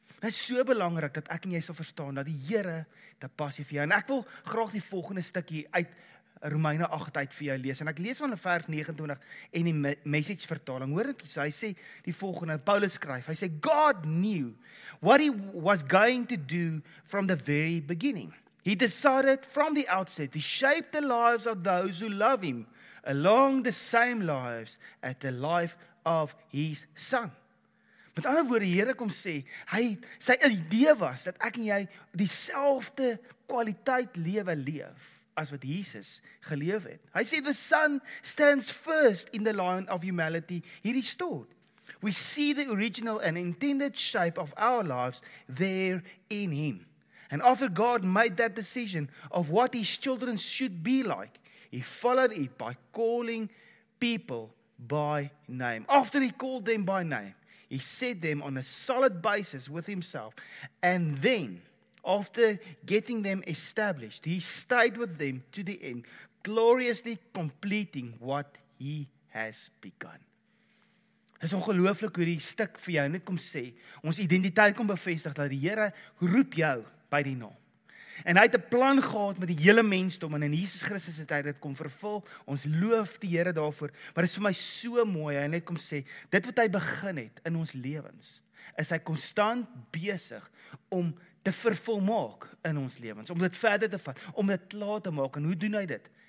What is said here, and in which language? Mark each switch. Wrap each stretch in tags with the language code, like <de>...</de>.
<af>Dit is so belangrik dat ek en jy sal verstaan dat die Here 'n passie vir jou en ek wil graag die volgende stukkie uit Romeine 8 uit vir jou lees, en ek lees van vers 29 en die message vertaling, hoor dit, so hy sê die volgende, Paulus skryf, hy sê,</af> <en>God knew what he was going to do from the very beginning. He decided from the outset to shape the lives of those who love him along the same lives as the life of his son.</en> <af>Met ander woorde, die Here kom sê, sy idee was dat ek en jy dieselfde kwaliteit lewe leef as wat Jesus geleef het. Hy sê,</af> <en>the Son stands first in the line of humanity he restored. We see the original and intended shape of our lives there in him. And after God made that decision of what his children should be like, he followed it by calling people by name. After he called them by name, he set them on a solid basis with himself. And then, after getting them established, he stayed with them to the end, gloriously completing what he has begun.</en> <af>Dit is ongelooflik hoe die stuk vir jou net kom sê, ons identiteit kom bevestig dat die Here roep jou by die naam. En hy het 'n plan gehad met die hele mensdom en in Jesus Christus het hy dit kom vervul. Ons loof die Here daarvoor, maar dit is vir my so mooi, hy net kom sê, dit wat hy begin het in ons lewens, is hy konstant besig om te vervolmaak in ons lewens, om dit verder te vat, om dit klaar te maak. En hoe doen hy dit?</af>